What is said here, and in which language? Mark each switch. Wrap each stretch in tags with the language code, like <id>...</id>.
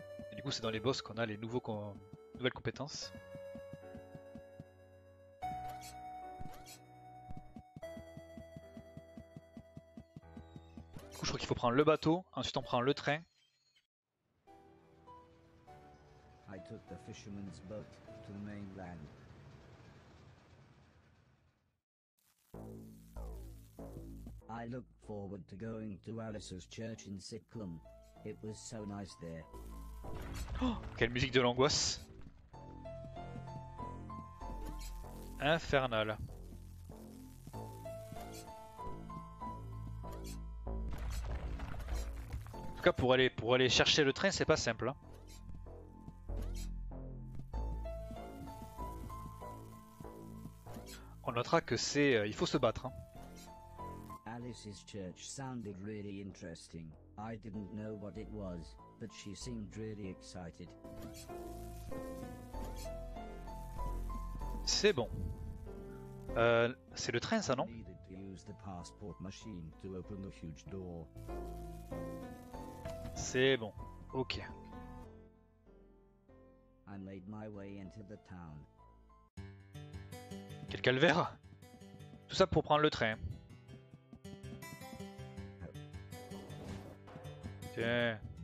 <fr>Et du coup, c'est dans les boss qu'on a les nouvelles compétences. Je crois qu'il faut prendre le bateau, ensuite on prend le train.</fr> <en>I took the fisherman's boat to the mainland. I looked forward to going to Alice's church in Sitcom. It was so nice there.</en> <fr>Oh, quelle musique de l'angoisse. Infernal. En tout cas, pour aller chercher le train, c'est pas simple. On notera que c'est... il faut se battre.</fr> <en>Alice's church sounded really interesting. I didn't know what it was, but she seemed really excited.</en> <fr>C'est bon. C'est le train, ça, non?</fr> <en>Needed to use the passport machine to open the huge door.</en> <fr>C'est bon. Ok.</fr> <en>I made my way into the town.</en> <fr>Quel calvaire! Tout ça pour prendre le train. Tiens.</fr>